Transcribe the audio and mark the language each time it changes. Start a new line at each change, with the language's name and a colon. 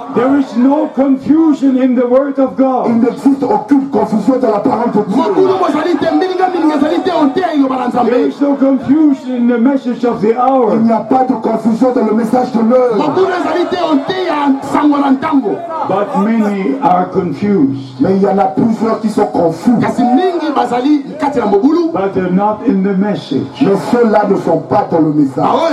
English: There is no confusion in the word of God.
French: Il n'existe aucune confusion dans la parole de Dieu.
English: There is no confusion in the message of the hour.
French: Il n'y a pas de confusion dans le message de l'heure.
English: But many are confused.
French: Mais il y en a plusieurs qui sont confus.
English: But they're not in the message.
French: Mais ceux-là ne sont pas dans le message.